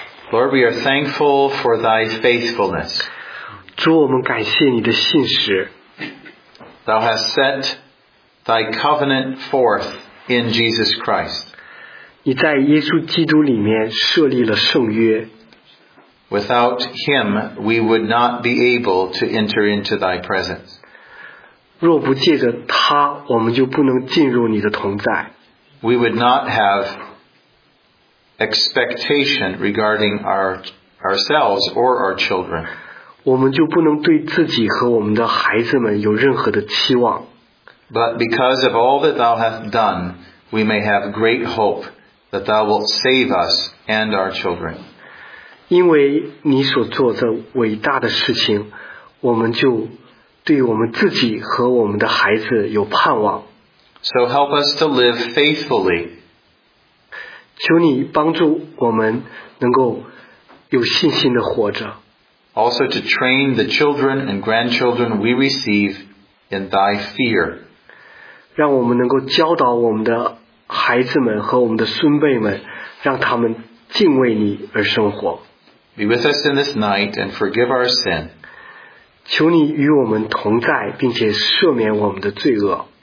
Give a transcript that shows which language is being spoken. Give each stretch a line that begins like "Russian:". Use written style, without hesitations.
English: Lord, we are thankful for thy faithfulness.
Chinese: 主，我们感谢你的信实。
English: Thou hast set thy covenant forth in Jesus Christ.
Chinese: 你在耶稣基督里面设立了圣约。
English: Without him, we would not be able to enter into thy presence.
Chinese: 若不借着他，我们就不能进入你的同在。
English: We would not have expectation regarding ourselves or our children.
Chinese: 我们就不能对自己和我们的孩子们有任何的期望。
English: But because of all that thou hast done, we may have great hope that thou wilt save us and our children.
Chinese: 因为你所做的伟大的事情，我们就对我们自己和我们的孩子有盼望。
English: So help us to live faithfully.
Chinese: 求你帮助我们能够有信心地活着。
English: Also to train the children and grandchildren we receive in thy fear.
Chinese: 让我们能够教导我们的孩子们和我们的孙辈们，让他们敬畏你而生活。
English: Be with us in this night and forgive our sin.
Chinese: 求你与我们同在，并且赦免我们的罪恶。